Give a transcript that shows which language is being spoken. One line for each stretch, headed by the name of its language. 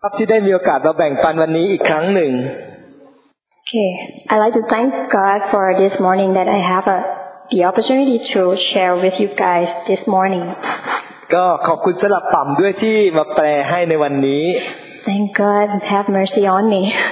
Thai: ครับที่ได้มีโอกาสมาแบ่งปันวันนี้อีกครั้งหนึ่ง
English: Okay, I'd like to thank God for this morning that I have the opportunity to share with you guys this morning.
Thai: ก็ขอบคุณสำหรับปั๊มด้วยที่มาแปลให้ในวันนี้
English: Thank God, have mercy on me.